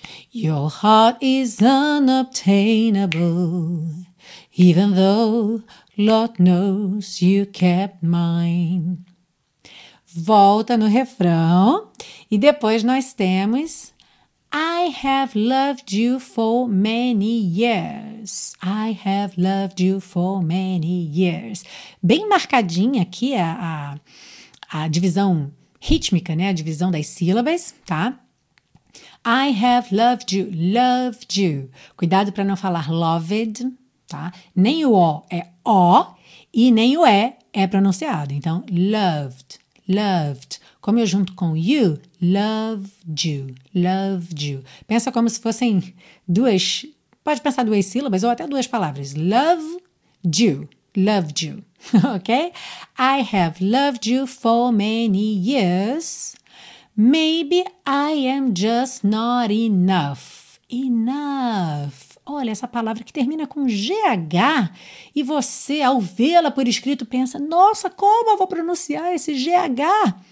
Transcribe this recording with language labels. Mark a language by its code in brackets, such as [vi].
[en] Your heart is unobtainable, even though Lord knows you kept mine. [pt] Volta no refrão. E depois nós temos: I have loved you for many years. [en] I have loved you for many years. [pt] Bem marcadinha aqui a divisão rítmica, né? A divisão das sílabas, tá? [en] I have loved you, loved you. [pt] Cuidado para não falar loved, tá? Nem o O é O e nem o E é pronunciado. Então, loved, loved. Como eu junto com you, loved you, loved you. Pensa como se fossem duas, pode pensar duas sílabas ou até duas palavras. [en] Loved you, loved you. Ok? I have loved you for many years. Maybe I am just not enough. Enough. [pt] Olha, essa palavra que termina com GH e você, ao vê-la por escrito, pensa, nossa, como eu vou pronunciar esse GH?